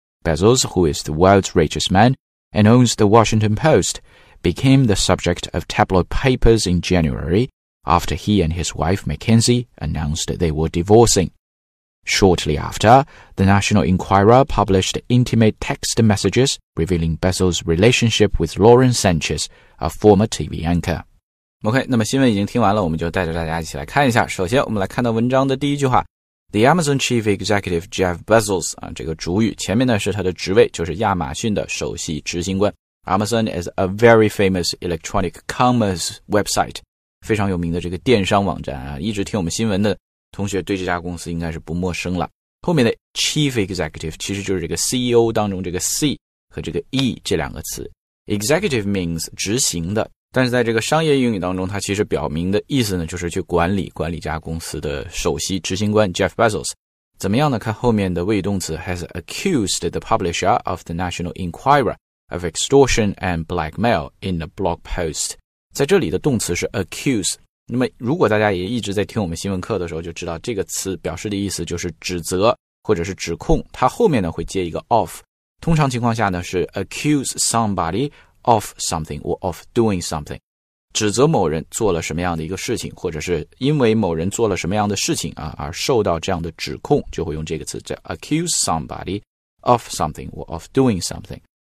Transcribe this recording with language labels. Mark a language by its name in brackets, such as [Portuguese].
[English] Bezos, who is the world's richest man and owns the Washington Post, became the subject of tabloid papers in January after he and his wife Mackenzie announced they were divorcing. Shortly after, the National Enquirer published intimate text messages revealing Bezos' relationship with Lauren Sanchez, a former TV anchor. [Chinese] OK, 那么新闻已经听完了，我们就带着大家一起来看一下。首先我们来看到文章的第一句话。 [English] The Amazon Chief Executive Jeff Bezos, [Chinese] 啊，这个主语前面呢是他的职位，就是亚马逊的首席执行官。 [English] Amazon is a very famous electronic commerce website, [Chinese] 非常有名的这个电商网站啊，一直听我们新闻的同学对这家公司应该是不陌生了。后面的 Chief Executive 其实就是这个 CEO 当中这个 C 和这个 E 这两个词。 [English] Executive means [Chinese] 执行的。但是在这个商业英语当中，它其实表明的意思呢，就是去管理家公司的首席执行官 Jeff Bezos。怎么样呢？看后面的谓语动词 [English] has accused the publisher of the National Enquirer of extortion and blackmail in a blog post。 [Chinese] 在这里的动词是 accuse。那么如果大家也一直在听我们新闻课的时候，就知道这个词表示的意思就是指责或者是指控。它后面呢会接一个 of。通常情况下呢是 [English] accuse somebody。Of something or of doing something, [Chinese] 指责某人做了什么样的一个事情，或者是因为某人做了什么样的事情啊而受到这样的指控，就会用这个词叫 [English] accuse somebody of something or of doing something.